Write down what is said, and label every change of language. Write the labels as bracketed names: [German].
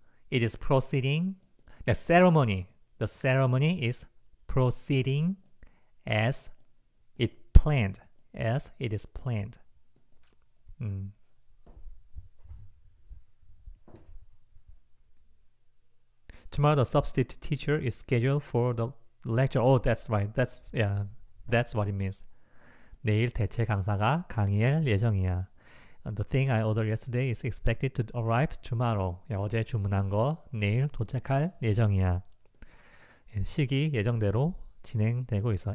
[English] It is proceeding, the ceremony is proceeding as it planned, as it is planned. Tomorrow the substitute teacher is scheduled for the lecture. Oh, that's right. That's what it means. [Korean] 내일 대체 강사가 강의할 예정이야. [English] And the thing I ordered yesterday is expected to arrive tomorrow. [Korean] 야, 어제 주문한 거 내일 도착할 예정이야. [English] And [Korean] 시기 예정대로 진행되고 있어.